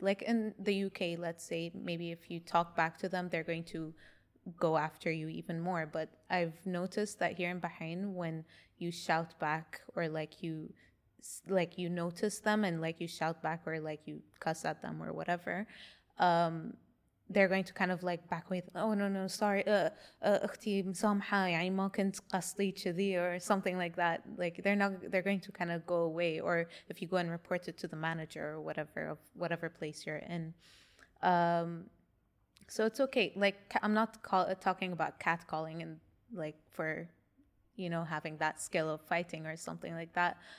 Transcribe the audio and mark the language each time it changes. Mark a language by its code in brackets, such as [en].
[en] Like in the UK, let's say, maybe if you talk back to them, they're going to go after you even more. But I've noticed that here in Bahrain, when you shout back, or like you notice them and like you shout back, or like you cuss at them or whatever, they're going to kind of like back away. Oh, no, sorry. [ar] أختي مسامحة يعني ما كنت قصدي كذي, [en] or something like that. Like, they're going to kind of go away. Or if you go and report it to the manager or whatever, of whatever place you're in. So it's okay. Like, I'm not talking about catcalling and like for, you know, having that skill of fighting or something like that.